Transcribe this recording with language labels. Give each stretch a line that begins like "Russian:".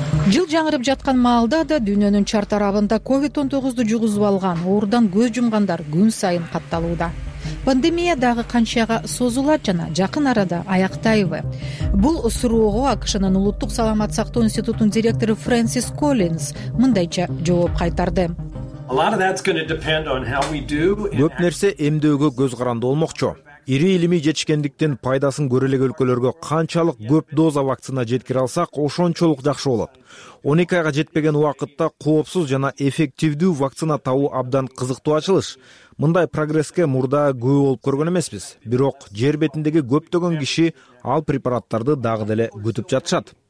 Kyrgyz: Жыл жаңырып жаткан маалда да дүйнөнүн чар тарабында COVID-19 жугузуп алган, оорудан көз жумгандар күн сайын катталууда. Пандемия дагы канчага созулат жана жакын арада аяктайбы? Бул суроого АКШнын улуттук саламат сактоо институтунун директору Фрэнсис Коллинс мындайча жооп кайтарды.
English: A lot of that's going to depend on how we do.
Kyrgyz: Көп нерсе эмдөөгө көз каранды болмокчу. Ири илимий жетишкендиктен пайдасын көрө элек өлкөлөргө канчалык көп доза вакцина жеткире алсак, ошончолук жакшы болот. 12 айга жетпеген убакытта коопсуз жана эффективдүү вакцина табуу абдан кызыктуу ачылыш. Мындай прогресске мурда күбө болуп көргөн эмеспиз. Бирок жер бетиндеги көптөгөн киши ал препараттарды дагы деле күтүп жатышат.